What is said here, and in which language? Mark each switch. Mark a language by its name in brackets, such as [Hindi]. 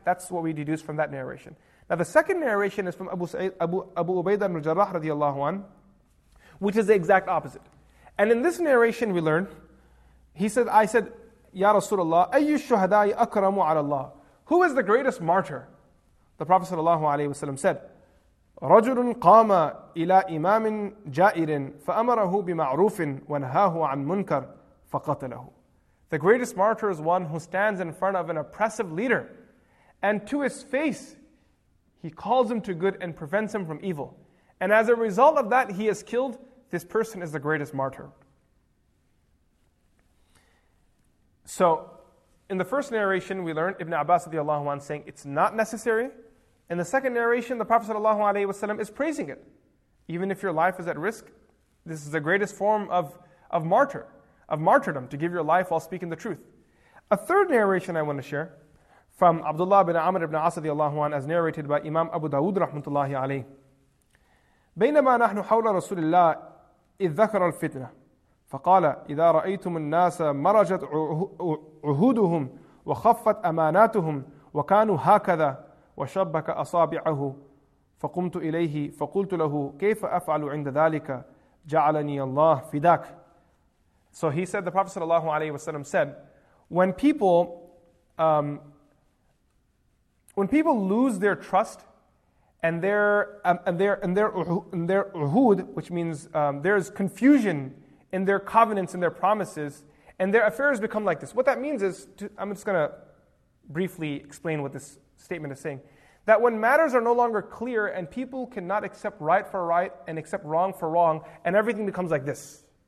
[English] That's what we deduce from that narration. Now the second narration is from Abu Ubaidah ibn Jarrah radiallahu anhu, which is the exact opposite. And in this narration we learn, he said, I said, Ya Rasulullah, [Arabic] أَيُّ الشُّهَدَاءِ أَكْرَمُ عَلَى اللَّهِ. [English] Who is the greatest martyr? The Prophet sallallahu alayhi wa sallam said, [Arabic] رَجُلٌ قَامَ إِلَىٰ إِمَامٍ جَائِرٍ فَأَمَرَهُ بِمَعْرُوفٍ وَنْهَاهُ عَنْ مُنْكَرٍ فَقَتَلَهُ. [English] The greatest martyr is one who stands in front of an oppressive leader, and to his face, he calls him to good and prevents him from evil. And as a result of that, he is killed. This person is the greatest martyr. So, in the first narration, we learn Ibn Abbas radiallahu anhu saying it's not necessary. In the second narration, the Prophet sallallahu alaihi wasallam is praising it. Even if your life is at risk, this is the greatest form of martyrdom, to give your life while speaking the truth. A third narration I want to share from Abdullah bin Amr ibn As radiallahu anhu, as narrated by Imam Abu Dawood rahmatullahi alayhi. [Arabic] بينما نحن حول رسول الله إذ ذكر الفتنة فقال إذا رأيتم الناس مرجت عهودهم وخفت أماناتهم وكانوا هكذا وشبك أصابعه فقمت إليه فقلت له كيف أفعل عند ذلك جعلني الله فداك. [English] So he said, the Prophet sallallahu alaihi wasallam said, when people lose their trust and their uhud, which means there is confusion in their covenants and their promises, and their affairs become like this. What that means is, I'm just going to briefly explain what this statement is saying, that when matters are no longer clear and people cannot accept right for right and accept wrong for wrong, and everything becomes like this.